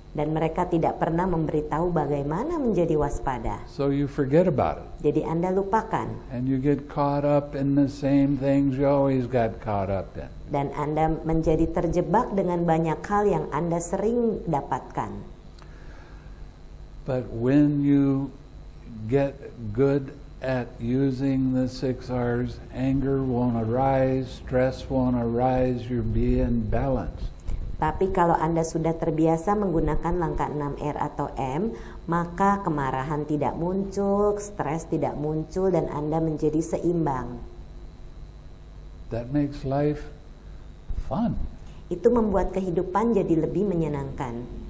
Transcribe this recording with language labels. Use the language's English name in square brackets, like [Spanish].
[Indonesian] Dan mereka tidak pernah memberitahu bagaimana menjadi waspada. [English] So you forget about it. [Indonesian] Jadi Anda lupakan. [English] And you get caught up in the same things you always got caught up in. [Indonesian] Dan Anda menjadi terjebak dengan banyak hal yang Anda sering dapatkan. [English] But when you get good at using the six R's, anger won't arise, stress won't arise, you'll be in balance. [Indonesian] Tapi kalau Anda sudah terbiasa menggunakan langkah 6 R atau M, maka kemarahan tidak muncul, stres tidak muncul, dan Anda menjadi seimbang. [English] That makes life fun. [Indonesian] Itu membuat kehidupan jadi lebih menyenangkan.